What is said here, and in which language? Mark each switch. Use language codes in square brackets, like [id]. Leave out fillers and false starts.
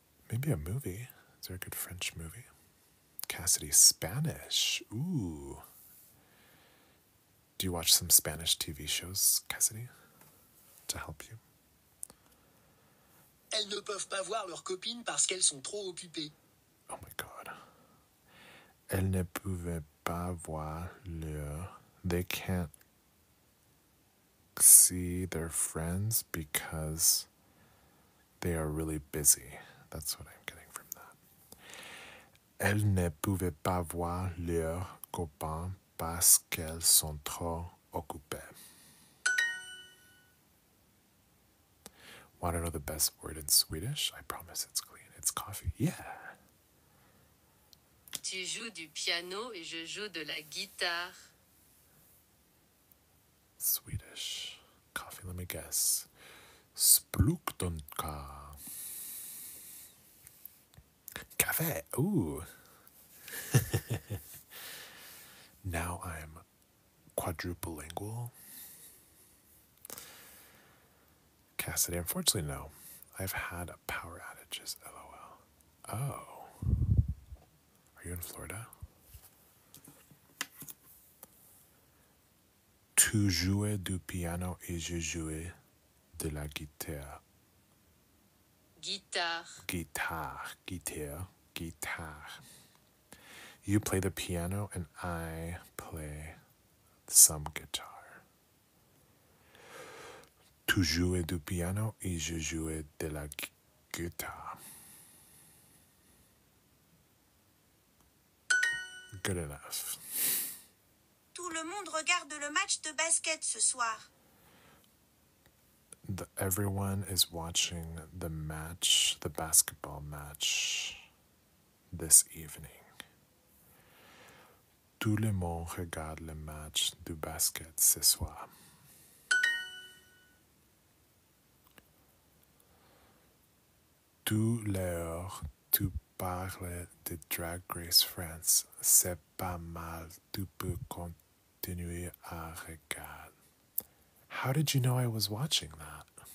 [en] Maybe a movie. Is there a good French movie? Cassidy, Spanish. Ooh. Do you watch some Spanish TV shows, Cassidy? To help you. [fr] Elles ne peuvent pas voir leurs copines parce qu'elles sont trop occupées. [en] Oh my god. [fr] Elles ne pouvaient pas voir leur... [en] They can't see their friends because they are really busy. That's what I'm getting from that. [fr] Elles ne pouvaient pas voir leurs copains parce qu'elles sont trop occupées. [en] Want to know the best word in Swedish? I promise it's clean. It's coffee. Yeah. [fr] Tu joues du piano et je joue de la guitare. [en] Swedish. Coffee, let me guess. Spluktonka. Café. Ooh. Now I'm quadruple lingual. Cassidy, unfortunately, no. I've had power outages, lol. Oh. Are you in Florida? [fr] Tu jouais du piano et je jouais de la guitare. Guitare. Guitare. Guitare. Guitare. [en] You play the piano and I play some guitar. [fr] Tu jouais du piano et je jouais de la guitare. [en] Good enough. [fr] Tout le monde regarde le match de basket ce soir. [en] Everyone is watching the match, the basketball match, this evening. [fr] Tout le monde regarde le match du basket ce soir. Tout l'heure, tu parles de Drag Race France. C'est pas mal, tu peux continuer à regarder. [en] How did you know I was watching that?